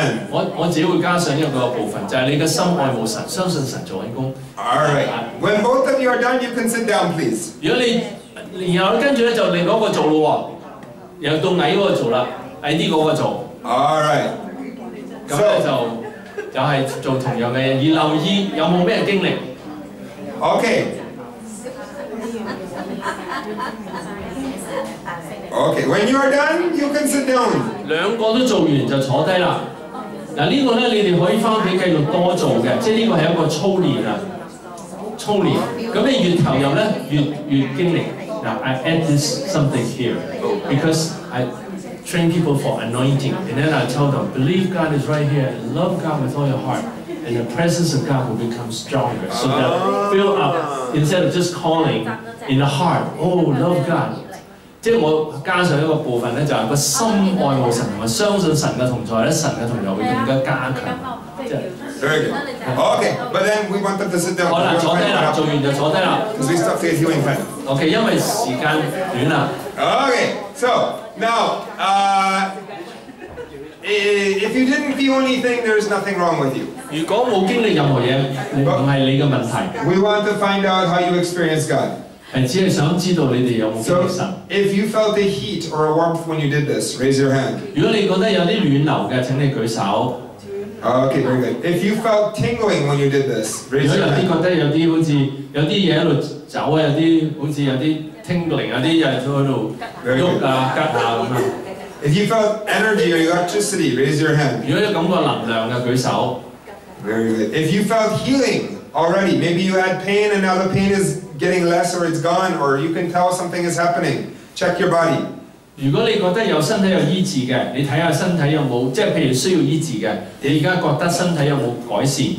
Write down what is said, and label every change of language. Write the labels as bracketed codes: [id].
[yue] 我只會加上一個部分，就係你嘅心愛慕神，相信神做緊工。 [en] All right. When both of you are done, you can sit down, please. [yue] 如果你然後跟住咧就另外一個做咯喎，又到矮嗰個做啦，矮啲嗰個做。 [en] All right. [yue] So,就係做同樣嘅，而留意有冇咩經歷。 [en] Okay. Okay. When you are done, you can sit down. [yue] 兩個都做完就坐低啦。嗱，呢個咧你哋可以翻屋企繼續多做嘅，即係呢個係一個操練啊，操練。咁你越投入咧，越經歷。 [en] Now I add this something here because I train people for anointing, and then I tell them, believe God is right here, love God with all your heart, and the presence of God will become stronger. So that fill up, instead of just calling in the heart, oh, love God. [yue] 即係我加上一個部分咧，就係個心愛慕神同埋相信神嘅同在咧，神嘅同在會更加加強。即係 [en] very good. Okay, but then we want them to sit down. [yue] 好啦，坐低啦，做完就坐低啦。 [en] Because we stopped here healing friend. [yue] Okay, 因為時間短啦。 [en] Okay, so now, if you didn't feel anything, there's nothing wrong with you. [yue] 如果冇經歷任何嘢，唔係你嘅問題。 [en] We want to find out how you experience God. So, if you felt a heat or a warmth when you did this, raise your hand. [yue] 如果你覺得有啲暖流嘅，請你舉手。 [en] Okay, very good. If you felt tingling when you did this, raise your hand. [yue] 如果有啲覺得有啲好似有啲嘢喺度走啊，有啲好似有啲 tingling， 有啲嘢喺度喐啊、吉啊咁啊。 [en] If you felt energy or electricity, raise your hand. [yue] 如果有感覺能量嘅，舉手。 [en] Very good. If you felt healing already, maybe you had pain and now the pain is getting less or it's gone or you can tell something is happening. Check your body. [yue] 如果你覺得有身體有醫治嘅，你睇下身體有冇，即係譬如需要醫治嘅，你而家覺得身體有冇改善